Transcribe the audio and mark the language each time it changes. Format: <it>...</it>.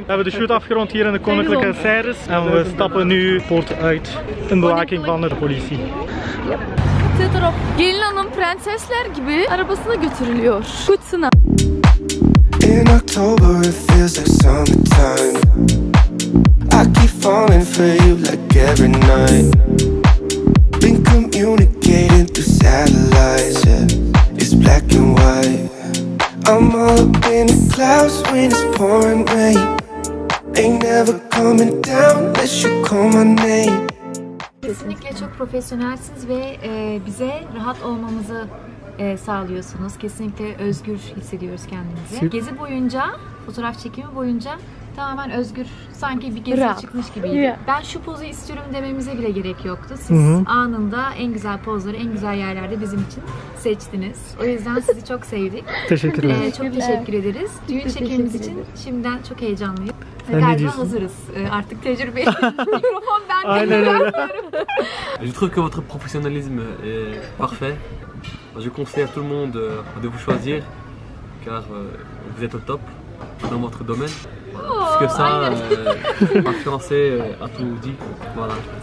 <nl>We hebben de shoot afgerond hier in de Koninklijke Cyrus. En we stappen nu poort uit. In bewaking van de politie. Ja. Zet erop.</nl> <tr>Gelinen prensesler gibi arabasına götürülüyor. Kutsuna.</tr> <en>In October it feels like summertime. I keep falling for you like every night. Been communicating through satellites, yeah. It's black and white. I'm all up in the clouds when it's pouring rain. Ain't never coming down unless you call my name.</en> <tr>Kesinlikle çok profesyonelsiniz ve bize rahat olmamızı sağlıyorsunuz. Kesinlikle özgür hissediyoruz kendimizi. Gezi boyunca, fotoğraf çekimi boyunca tamamen özgür, sanki bir geziye çıkmış gibiydi. Ben şu pozu istiyorum dememize bile gerek yoktu. Siz anında en güzel pozları, en güzel yerlerde bizim için seçtiniz. O yüzden sizi çok sevdik. Teşekkürler. Çok teşekkür ederiz. Düğün çekimimiz için şimdiden çok heyecanlıyım. Sen galiba ne hazırız. Artık tecrübe. Mikrofon ben de. Aynen</tr> <fr>öyle. Je trouve que votre professionnalisme est parfait. Je conseille à tout le monde de vous choisir car vous êtes au top dans votre domaine. Parce que ça, ma fiancée a tout dit. Voilà.</fr>